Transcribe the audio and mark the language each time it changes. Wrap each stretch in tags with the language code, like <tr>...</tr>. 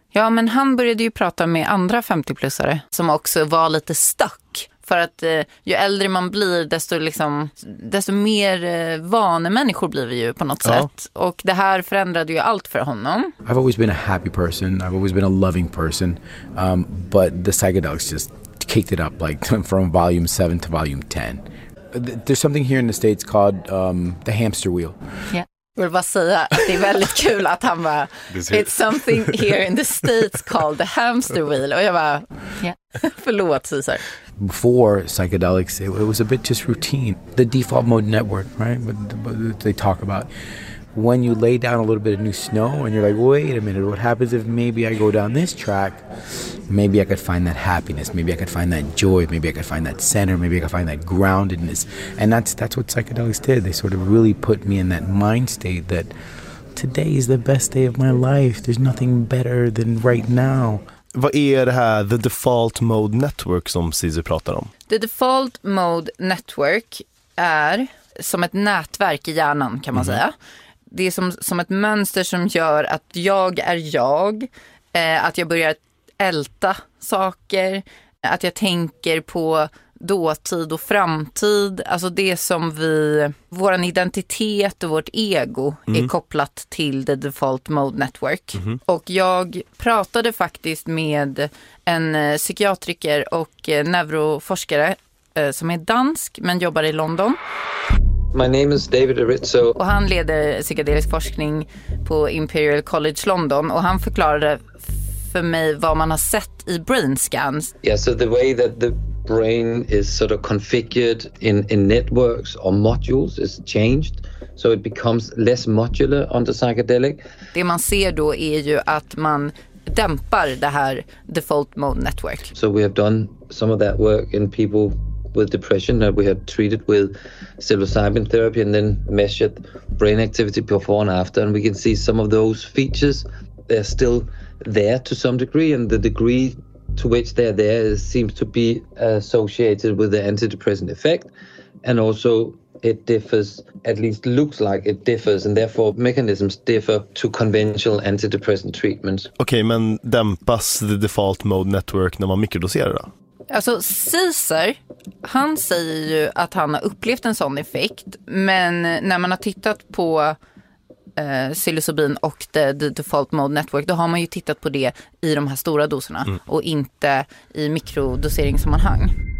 <sv>Ja, men han började ju prata med andra 50-plussare som också var lite stuck. För att ju äldre man blir, desto, liksom, desto mer vanemänniskor blir vi ju på något sätt. Och det här förändrade ju allt för honom.</sv> <en>I've always been a happy person. I've always been a loving person. But the psychedelics just kicked it up like from volume 7 to volume 10. There's something here in the States called the hamster wheel. Yeah.</en> <sv>Jag vill bara säga att det är väldigt kul att han bara,</sv> <en>it's something here in the States called the hamster wheel.</en> <sv>Och jag bara, yeah. Förlåt, Caesar.</sv> <en>Before psychedelics, it was a bit just routine. The default mode network, right? They talk about when you lay down a little bit of new snow and you're like, wait a minute, what happens if maybe I go down this track? Maybe I could find that happiness. Maybe I could find that joy. Maybe I could find that center. Maybe I could find that groundedness. And that's what psychedelics did. They sort of really put me in that mind state that today is the best day of my life. There's nothing better than right now.</en> <sv>Vad är det här The Default Mode Network som Caesar pratar om? The Default Mode Network är som ett nätverk i hjärnan, kan man säga. Det är som ett mönster som gör att jag är jag. Att jag börjar älta saker. Att jag tänker på dåtid och framtid, alltså det som vi, våran identitet och vårt ego är kopplat till The Default Mode Network. Och jag pratade faktiskt med en psykiatriker och neuroforskare som är dansk men jobbar i London.</sv> <en>My name is David Arizzo.</en> <sv>Och han leder psykedelisk forskning på Imperial College London, och han förklarade för mig vad man har sett i brain scans.</sv> <en>Yeah, so the way that the brain is sort of configured in networks or modules is changed, so it becomes less modular under psychedelic.</en> <sv>Det man ser då är ju att man dämpar det här default mode network.</sv> <en>So we have done some of that work in people with depression that we had treated with psilocybin therapy and then measured brain activity before and after, and we can see some of those features, they're still there to some degree, and the degree to which they're there seems to be associated with the antidepressant effect, and also it differs, at least looks like it differs, and therefore mechanisms differ to conventional antidepressant treatments.</en> <sv>Okay, men dämpas the default mode network när man mikrodoserar då? Alltså Caesar, han säger ju att han har upplevt en sån effekt, men när man har tittat på psilocybin och the default mode network, då har man ju tittat på det i de här stora doserna och inte i mikrodoseringssammanhang.</sv>